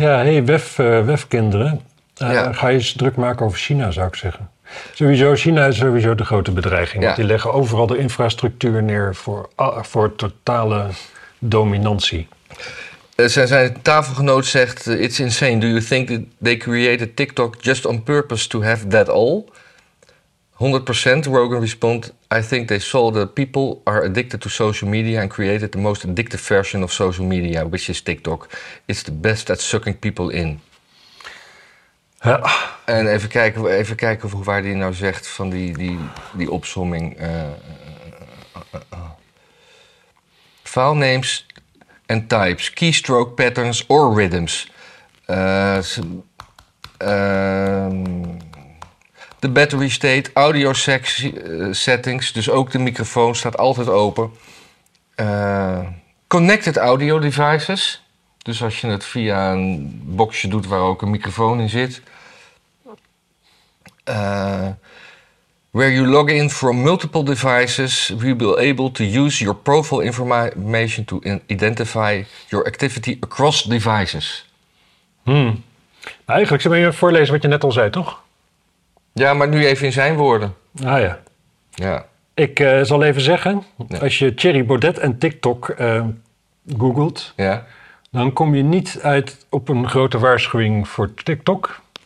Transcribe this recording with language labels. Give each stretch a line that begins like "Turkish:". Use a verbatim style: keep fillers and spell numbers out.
Dutch: Ja, hé, hey, wef, uh, wefkinderen. Uh, ja. Ga je eens druk maken over China, zou ik zeggen. Sowieso, China is sowieso de grote bedreiging. Ja. Want die leggen overal de infrastructuur neer voor, uh, voor totale dominantie. Uh, zijn, zijn tafelgenoot zegt...
English: Uh, It's insane. Do you think that they created TikTok just on purpose to have that all?
Dutch: honderd procent
English: Rogan respond, I think they saw that people are addicted to social media and created the most addictive version of social media, which is TikTok. It's the best at sucking people in.
Dutch: Ja. En even kijken, even kijken of, waar die nou zegt van die, die, die opsomming.
English: Uh, uh, uh, uh. Filenames and types, keystroke patterns or rhythms.
Dutch: Uh, um, De
English: battery state, audio sexy, uh, settings,
Dutch: dus ook de microfoon staat altijd open. Uh,
English: connected audio devices,
Dutch: dus als je het via een boxje doet waar ook een microfoon in zit.
English: Uh, where you log in from multiple devices, we will be able to use your profile information to identify your activity across devices. Hmm.
Dutch: Eigenlijk zou je voorlezen wat je net al zei, toch? Ja, maar nu even in zijn woorden. Ah ja. Ja. Ik uh, zal even zeggen, ja. Als je Thierry Baudet en TikTok uh, googelt... Ja. Dan kom je niet uit op een grote waarschuwing voor TikTok.